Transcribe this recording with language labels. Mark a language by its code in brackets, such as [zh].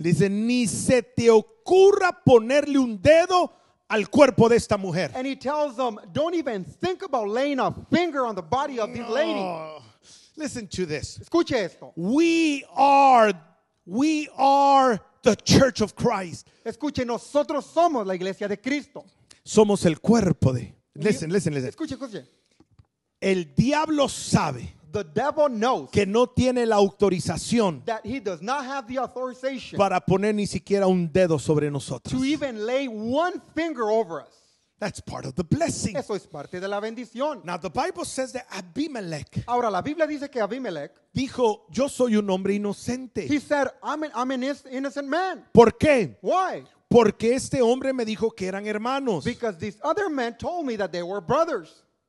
[es] Dice, ni se te ocurra ponerle un dedo al cuerpo de esta mujer. [en] And he tells them, don't even think about laying a finger on the body of this lady. Listen to this. [es] Escuche esto. [en] We are the church of Christ. [es] Escuche, nosotros somos la iglesia de Cristo. Somos el cuerpo de... Listen. Escuche. El diablo sabe, [en] the devil knows, [es] que no tiene la autorización, [en] that he does not have the authorization, [es] para poner ni siquiera un dedo sobre nosotros, [en] to even lay one finger over us. That's part of the blessing. [es] Eso es parte de la bendición. [en] Now the Bible says that Abimelech. [es] Ahora la Biblia dice que Abimelech dijo, "Yo soy un hombre inocente." [en] He said, I'm an innocent man. [es] ¿Por qué? [en] Why? [es] Porque este hombre me dijo que eran hermanos. [en] Because this other man told me that they were brothers.